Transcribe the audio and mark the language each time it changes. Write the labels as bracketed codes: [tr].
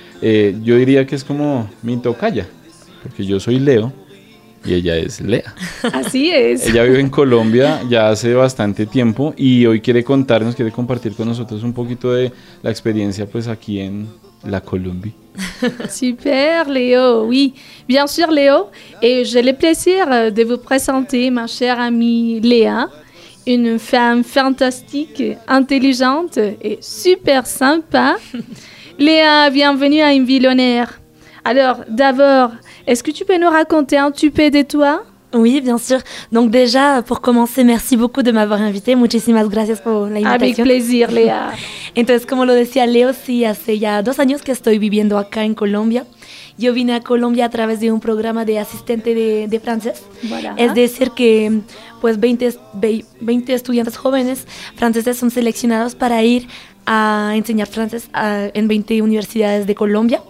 [es] Yo diría que es como mi tocaya, porque yo soy Leo y ella es Lea. Así es. Ella vive en Colombia ya hace bastante tiempo y hoy quiere contarnos, quiere compartir con nosotros un poquito de la experiencia pues aquí en la Colombia. [fr] Super, Léo. Oui, bien sûr, Léo. Et j'ai le plaisir de vous présenter ma chère amie Léa. Une femme fantastique, intelligente et super sympa. Léa, bienvenue à Inville on Air. Alors, d'abord, est-ce que tu peux nous raconter un petit peu de toi ? Oui, bien sûr. Donc déjà, pour commencer, merci beaucoup de m'avoir invitée. [es] Muchísimas gracias por la invitación. [fr] Avec plaisir, Léa. [es] Entonces, como lo decía Léo, sí, hace ya dos años que estoy viviendo acá en Colombia. Yo vine a Colombia a través de un programa de asistente de francés. [fr] Voilà. [es] Es decir que pues 20 estudiantes jóvenes franceses son seleccionados para ir a enseñar francés en 20 universidades de Colombia.